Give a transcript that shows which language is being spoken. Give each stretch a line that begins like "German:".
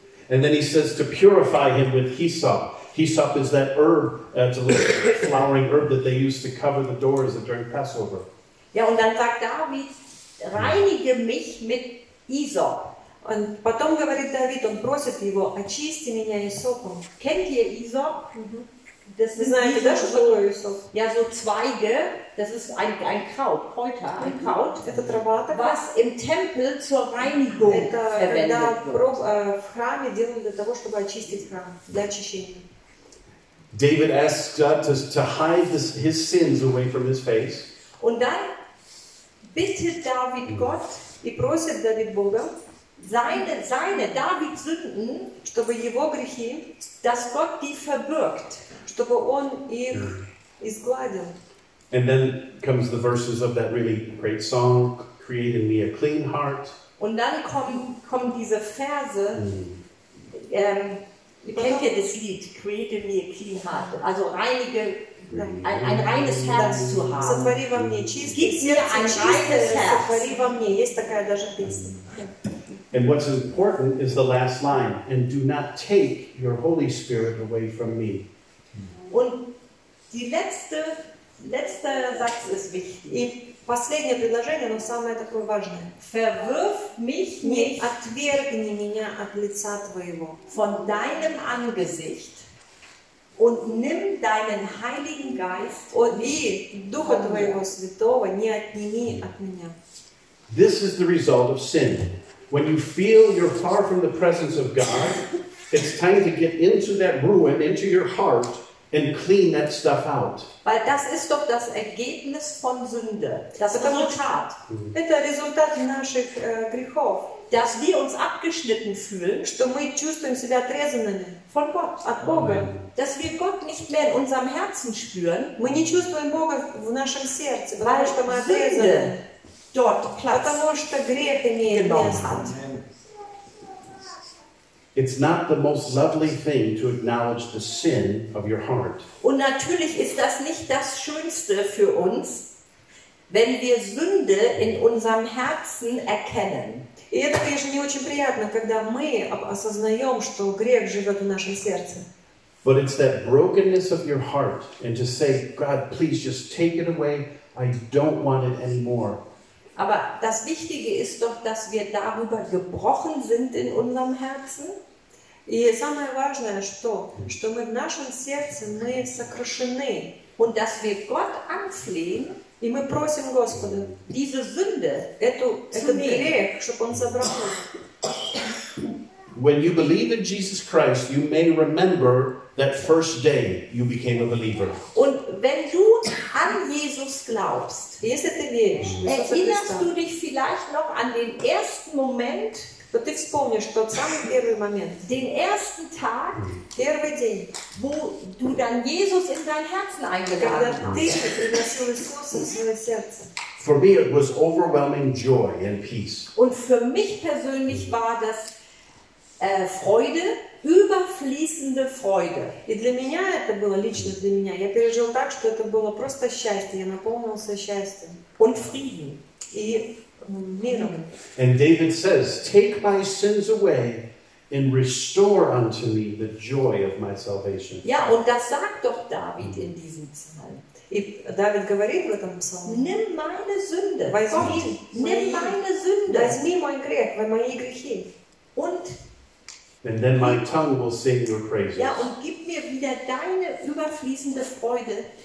English: And then he says to purify him with hyssop. Hyssop is that herb, it's a little flowering herb that they use to cover the doors during Passover.
German: Ja, und dann sagt David, reinige mich mit hyssop. Und
Russian: потом говорит Давид, он просит его, очисти меня hyssopом.
German: Kennt ihr hyssop? Das ist ja so Zweige, das ist ein Kraut, Kräuter, ein Kraut, was im Tempel zur Reinigung verwendet wird.
English: David asks God to hide his sins away from his face.
German: Und dann bittet David Gott, ich
Russian: prosit David Boga,
German: seine David Sünden,
Russian: чтобы его грехи,
German: dass Gott die verbirgt.
Russian: Чтобы он их изгладил.
English: And then comes the verses of that really great song, "Create in me a clean heart."
German: Und dann kommen diese Verse. Kennt ihr das Lied?
English: "Create in me a clean heart."
German: Also reinige ein reines Herz zu haben.
Russian: Сотвори во мне чистое сердце.
English: And what's important is the last line: "And do not take your Holy Spirit away from me."
German: Und die letzte Satz ist wichtig.
Russian: И последнее предложение, но самое такое важное.
German: Verwirf mich nicht,
Russian: отвергни меня от лица твоего.
German: Von deinem Angesicht und nimm deinen Heiligen Geist
Russian: und Духа твоего святого не отними от меня.
English: This is the result of sin. When you feel you're far from the presence of God, it's time to get into that ruin, into your heart. And clean that stuff out.
German: Weil das ist doch das Ergebnis von Sünde. Das Resultat.
Russian: Это результат наших грехов.
German: Dass wir uns abgeschnitten fühlen.
Russian: Что мы чувствуем себя отрезанными.
German: Von Gott.
Russian: От Бога.
German: Dass wir Gott nicht mehr in unserem Herzen spüren.
Russian: Мы не чувствуем Бога в нашем сердце. Потому что мы отрезаны.
German: Dort Platz.
Russian: Потому что грех имеет место.
English: It's not the most lovely thing to acknowledge the sin of your heart.
German: Und natürlich ist das nicht das Schönste für uns, wenn wir Sünde in unserem Herzen erkennen.
Russian: И это, конечно, не очень приятно, когда мы осознаем, что грех живет в нашем сердце.
English: But it's that brokenness of your heart, and to say, God, please just take it away, I don't want it anymore.
German: Aber das Wichtige ist doch, dass wir darüber gebrochen sind in unserem Herzen.
Russian: И самое важное, что мы в нашем сердце мы сокрушены.
German: Und dass wir Gott anflehen,
Russian: и мы просим Господа,
German: diese Sünde,
Russian: этот грех, чтобы он забрал.
English: When you believe in Jesus Christ, you may remember that first day you became a believer.
German: Und wenn du an Jesus glaubst, erinnerst du dich vielleicht noch an den ersten Moment, den ersten Tag, wo du dann Jesus in dein Herzen eingeladen hast.
English: For me it was overwhelming joy and peace.
German: Und für mich persönlich war das Freude, überfließende Freude.
Russian: И для меня это было лично для меня. Я пережил так, что это было просто счастье. Я наполнился счастьем.
German: Und Frieden.
Russian: И миром.
English: And David says, "Take my sins away And restore unto me the joy of my salvation.
German: Ja, und das sagt doch David in diesem Psalm.
Russian: David говорит в этом псалме.
German: Nimm meine Sünde.
Russian: Возьми мой грех, мои грехи.
German: Und
English: and then my tongue will sing your praises.
German: Ja, und gib mir wieder deine überfließende Freude.